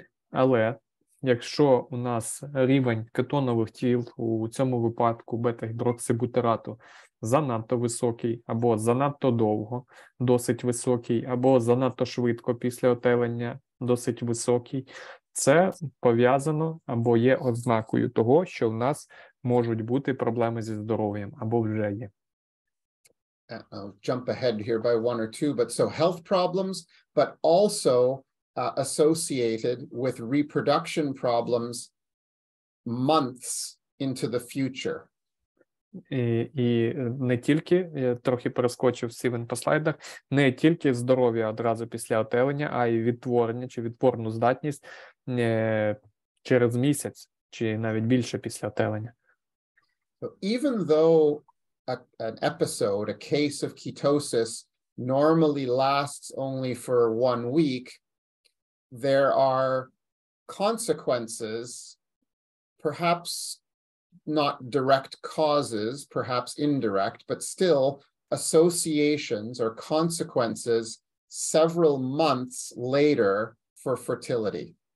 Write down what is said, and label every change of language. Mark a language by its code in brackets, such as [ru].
[uk] Але якщо у нас рівень кетонових тіл у цьому випадку бета-гідроксибутирату занадто високий або занадто довго, досить високий, або занадто швидко після отелення, досить високий, це пов'язано або є ознакою того, що в нас можуть бути проблеми зі здоров'ям або вже є. [en] I'll jump ahead here by one or two, but so health problems, but also associated with reproduction problems months into the future. [uk] І не тільки, я трохи перескочив Стівен по слайдах, не тільки здоров'я одразу після отелення, а й відтворення чи відтворну здатність через місяць, чи навіть більше після отелення. [en] So even though an episode, a case of ketosis, normally lasts only for 1 week, there are consequences, perhaps not direct causes, perhaps indirect, but still associations or consequences several months later for fertility.